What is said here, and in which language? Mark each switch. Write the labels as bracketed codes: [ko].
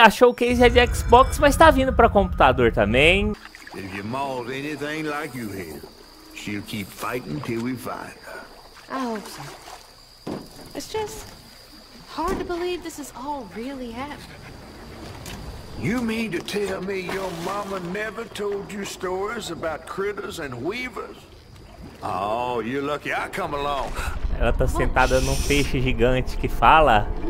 [pt] A showcase é de Xbox, mas tá vindo pra computador também. Se você molde nada como você aqui, ela vai continuar lutando até nós encontrarmos ela. Eu espero que sim. É só difícil de acreditar que isso tudo realmente aconteceu. [en] You mean to tell me your mama never told you stories about critters and weavers? Oh, you're lucky I come along. [pt] Ela tá sentada num peixe gigante que fala.